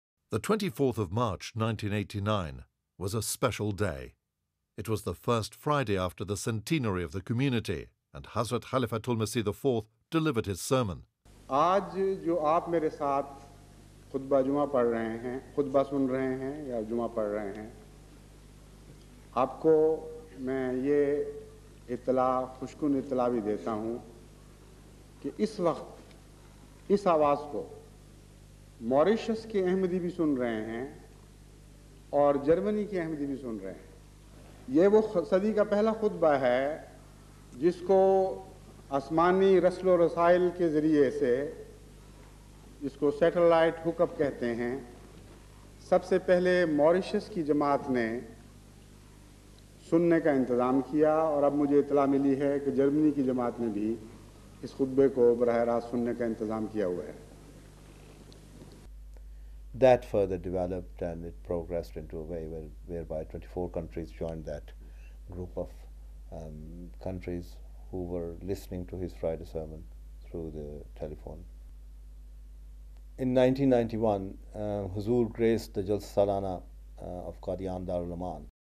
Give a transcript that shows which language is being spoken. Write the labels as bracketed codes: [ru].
[en] The 24th of March 1989 was a special day. It was the first Friday after the centenary of the community, and Hazrat Khalifatul Masih IV delivered his sermon. [ur] آج جو آپ میرے ساتھ خطبہ جمعہ پڑھ رہے ہیں, خطبہ سن رہے ہیں یا جمعہ پڑھ رہے ہیں, آپ کو میں یہ اطلاع, خوشکن اطلاع بھی دیتا ہوں کہ اس وقت اس آواز کو موریشس کے احمدی بھی سن رہے ہیں اور جرمنی کے احمدی بھی سن رہے ہیں. یہ وہ صدی کا پہلا خطبہ ہے جس کو آسمانی رسل و رسائل کے ذریعے سے, جس کو سیٹلائٹ ہک اپ کہتے ہیں, سب سے پہلے موریشس کی جماعت نے سننے کا انتظام کیا, اور اب مجھے اطلاع ملی ہے کہ جرمنی کی جماعت نے بھی اس خطبے کو براہ راست سننے کا انتظام کیا ہوا ہے. [en] That further developed and it progressed into a way whereby 24 countries joined that group of countries who were listening to his Friday sermon through the telephone. In 1991, Huzoor graced the Jalsa Salana of Qadian Darul Aman.